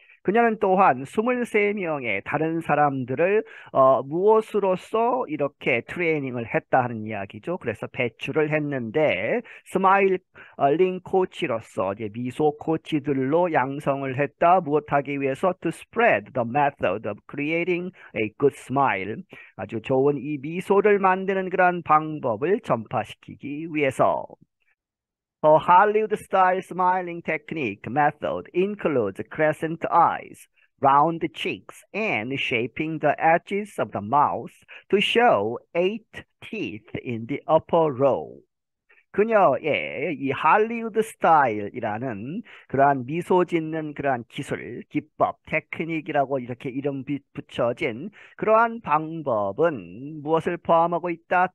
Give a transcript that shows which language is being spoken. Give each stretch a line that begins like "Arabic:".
Korean: 그녀는 또한 23명의 다른 사람들을 무엇으로써 이렇게 트레이닝을 했다는 이야기죠. 그래서 배출을 했는데 스마일링 코치로서 이제 미소 코치들로 양성을 했다. 무엇하기 위해서?
English: To spread the method of creating a good smile.
Korean: 아주 좋은 이 미소를 만드는 그런 방법을 전파시키기 위해서.
English: Her Hollywood-style smiling technique method includes crescent eyes, round cheeks, and shaping the edges of the mouth to show eight teeth in the upper row.
Korean: 그녀의 이 할리우드 스타일이라는 그러한 미소 짓는 그러한 기술, 기법, 테크닉이라고 이렇게 이름 붙여진 그러한 방법은 무엇을 포함하고 있다?